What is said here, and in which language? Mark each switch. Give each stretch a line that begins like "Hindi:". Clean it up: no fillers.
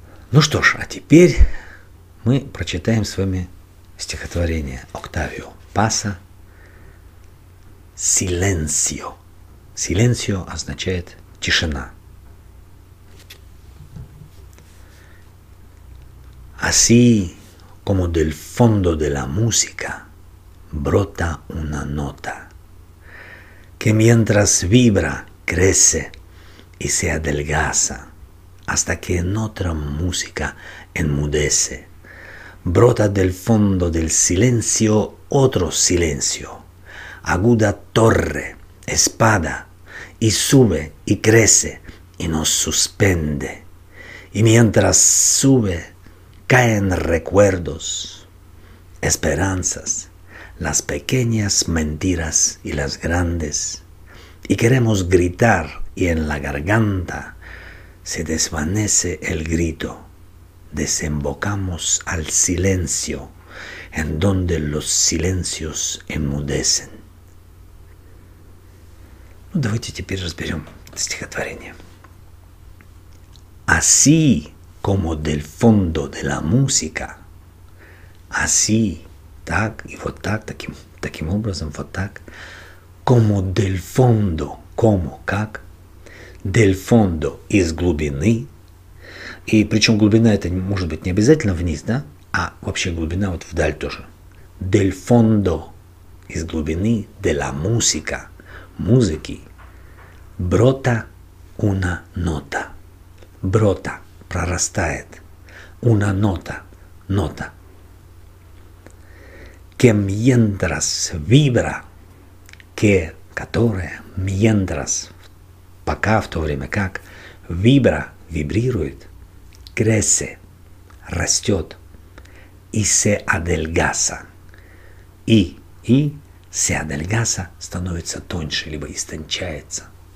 Russian: Ну что ж, а теперь мы прочитаем с вами стихотворение Октавио Паса «Silencio». «Silencio» означает «тишина».
Spanish: «Así como del fondo de la música brota una nota que mientras vibra crece y se adelgaza hasta que en otra música enmudece. Brota del fondo del silencio otro silencio, aguda torre, espada, y sube y crece y nos suspende. Y mientras sube, caen recuerdos, esperanzas, las pequeñas mentiras y las grandes. Y queremos gritar y en la garganta se desvanece el grito, desembocamos al silencio, en donde los silencios enmudecen».
Russian: Ну, давайте теперь разберем стихотворение.
Spanish: «Así como del fondo de la música». «Así»,
Russian: так, и вот так, таким образом, вот так.
Spanish: «Como del fondo», «como»,
Russian: «как». «Del fondo» – «из глубины». И причем глубина – это может быть не обязательно вниз, да? А вообще глубина вот вдаль тоже.
Spanish: «Del fondo» –
Russian: «из глубины»,
Spanish: «de la música» –
Russian: «музыки».
Spanish: «Brota una nota». «Brota»
Russian: – «прорастает».
Spanish: «Una nota» –
Russian: «нота».
Spanish: «Que mientras vibra» – «que»,
Russian: «которое»,
Spanish: «mientras».
Russian: Пока, в то время как, вибра, вибрирует, кресе, растет, и се адельгаса, и се адельгаса становится тоньше, либо истончается.